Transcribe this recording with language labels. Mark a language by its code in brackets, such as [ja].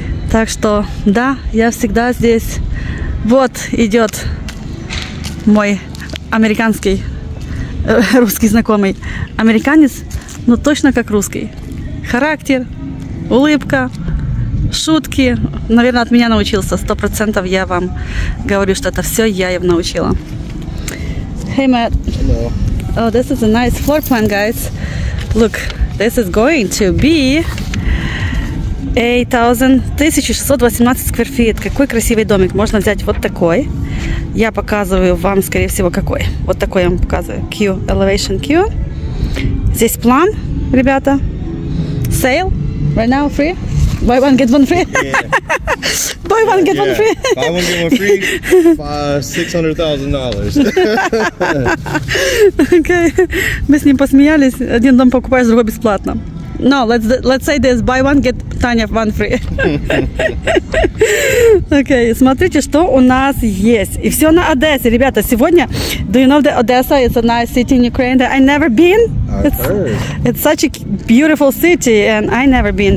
[ru] Так что, да, я всегда здесь. Вот идет мой американский, русский знакомый. Американец, но точно как русский. Характер, улыбка, шутки. Наверное, от меня научился. 100% я вам говорю, что это все я им научила. [en] Hey, Matt. Hello. Oh, this is a nice floor plan, guys. Look, this is going to be... 1618 [ru] скверфит. Какой красивый домик. Можно взять вот такой. Я показываю вам, скорее всего, какой. Вот такой я вам показываю. [en] Q, elevation Q. [ru] Здесь план, ребята. [en] Sale. Right now free. Buy one, get one free. Yeah. Buy one, get one free. Buy one, get one free. $600,000. [ru] Okay. Мы с ним посмеялись. Один дом покупаешь, другой бесплатно. [en] No, let's say this, buy one, get Tanya one free. [ru] Okay, смотрите, что у нас есть. И все на Одессе. Ребята, сегодня, [en] do you know that Odessa is a nice city in Ukraine that I never been? I've heard. It's such a beautiful city, and I never been.